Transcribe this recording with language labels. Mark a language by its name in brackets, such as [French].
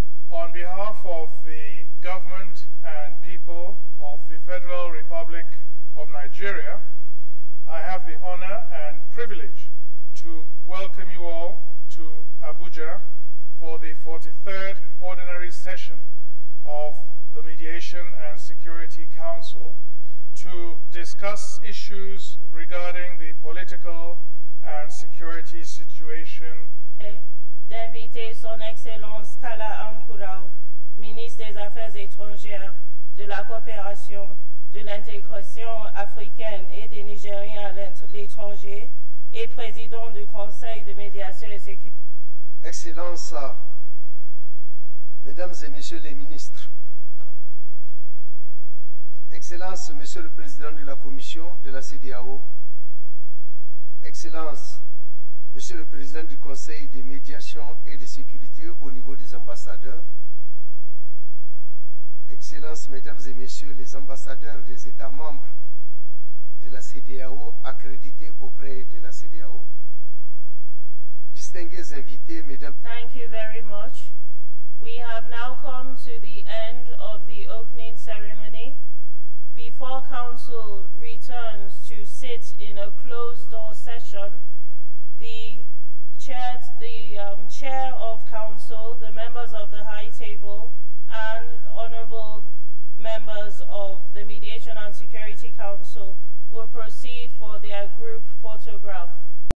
[English] On behalf of the government and people of the Federal Republic of Nigeria, I have the honor and privilege to welcome you all to Abuja for the 43rd ordinary session of the Mediation and Security Council to discuss issues regarding the political and security situation. [French] D'inviter son excellence Kala Ankurao, ministre des Affaires étrangères, de la coopération, de l'intégration africaine et des Nigériens à l'étranger et président du Conseil de médiation et sécurité. Excellences, Mesdames et Messieurs les ministres, Excellences, Monsieur le Président de la Commission de la CEDEAO, Excellences, Monsieur le Président du Conseil de médiation et de sécurité au niveau des ambassadeurs, Excellences, Mesdames et Messieurs les ambassadeurs des États membres de la CEDEAO accrédités auprès de la CEDEAO, Distingués invités, Mesdames. [English] Thank you very much. We have now come to the end of the opening ceremony. Before Council returns to sit in a closed-door session, the chair of Council, the members of the High Table, and honourable members of the Mediation and Security Council will proceed for their group photograph.